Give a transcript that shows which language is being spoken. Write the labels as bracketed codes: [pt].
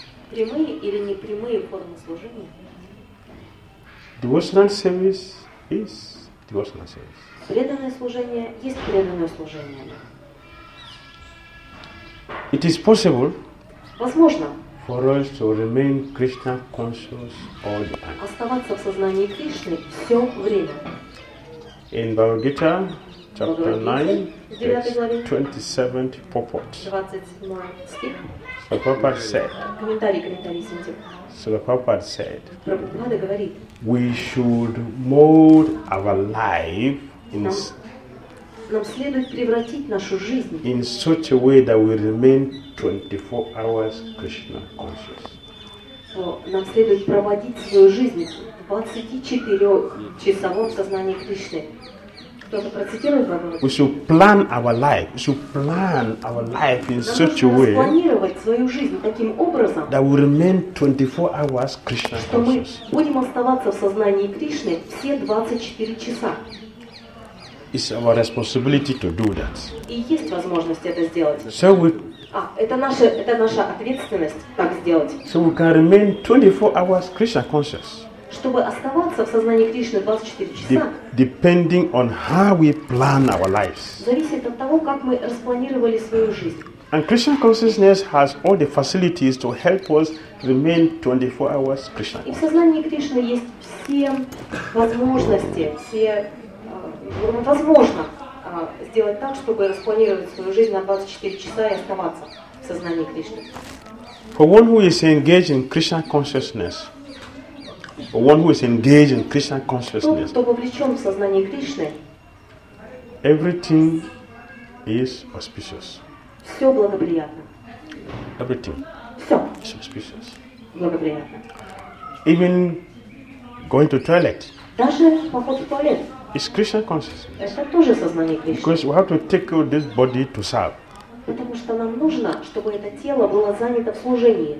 [ru] Прямые или непрямые формы служения? [en] Devotional service is devotional service. [ru] Преданное служение есть преданное служение. [en] It is possible. [ru] Возможно. [en] For us to remain Krishna conscious all the time. [ru] Оставаться в сознании Кришны все время. [en] In Bhagavad Gita, chapter 9, 27th purport. [ru] 27 стих. [en] Prabhupada said. We should mold our life in. [ru] Нам следует превратить нашу жизнь [en] in such a way that we remain 24 hours Krishna conscious. [ru] Нам следует проводить свою жизнь в 24-часовом сознании Кришны. Кто-то процитирует Бхагавад-гиту? [en] We should plan our life. We should plan our life in such a way. [ru] Нам нужно спланировать свою жизнь таким образом, [en] that we remain 24 hours Krishna conscious. [ru] Что мы будем оставаться в сознании Кришны все 24 часа. [en] It's our responsibility to do that. [ru] И есть возможность это сделать. [en] So we. [ru] Это наша ответственность так сделать. [en] So we can remain 24 hours Krishna conscious. [ru] Чтобы оставаться в сознании Кришны 24 часа. [en] Depending on how we plan our lives. [ru] Зависит от того, как мы распланировали свою жизнь. [en] And Krishna consciousness has all the facilities to help us remain 24 hours Krishna. [ru] И в сознании Кришны есть все возможности, все. Возможно сделать так, чтобы распланировать свою жизнь на 24 часа и оставаться в сознании Кришны. [en] For one who is engaged in Krishna consciousness, for one who is engaged in Krishna consciousness, [ru] кто вовлечен в сознание Кришны, [en] everything is auspicious. [ru] Все благоприятно. [en] Everything. [ru] Все. [en] Is auspicious. [ru] Благоприятно. [en] Even going to toilet. [ru] Даже поход в туалет. [en] It's Krishna consciousness. [ru] Это тоже сознание Кришны. [en] Because we have to take care of this body to serve. [ru] Потому что нам нужно, чтобы это тело было занято в служении.